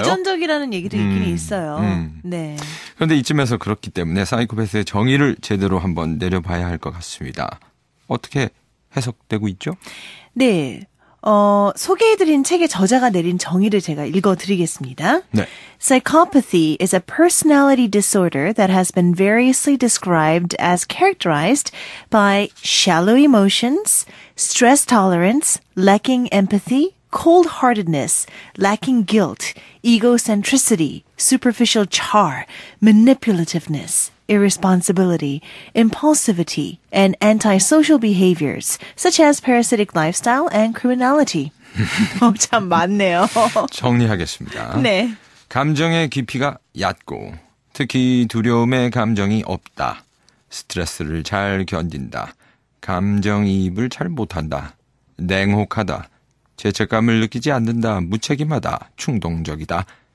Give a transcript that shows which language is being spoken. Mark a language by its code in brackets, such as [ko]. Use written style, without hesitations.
[ko] 유전적이라는 얘기도 있긴 있어요. 네. 그런데 이쯤에서 그렇기 때문에 사이코패스의 정의를 제대로 한번 내려봐야 할 것 같습니다. 어떻게 해석되고 있죠? 네. 소개해드린 책의 저자가 내린 정의를 제가 읽어드리겠습니다. 네. [en] Psychopathy is a personality disorder that has been variously described as characterized by shallow emotions, stress tolerance, lacking empathy, cold-heartedness, lacking guilt, egocentricity, superficial char, manipulativeness, irresponsibility, impulsivity, and antisocial behaviors, such as parasitic lifestyle and criminality. [ko] 참 많네요. 정리하겠습니다. 네. 감정의 깊이가 얕고, 특히 두려움의 감정이 없다. 스트레스를 잘 견딘다. 감정이입을 잘 못한다. 냉혹하다. 죄책감을 느끼지 않는다. 무책임하다. 충동적이다.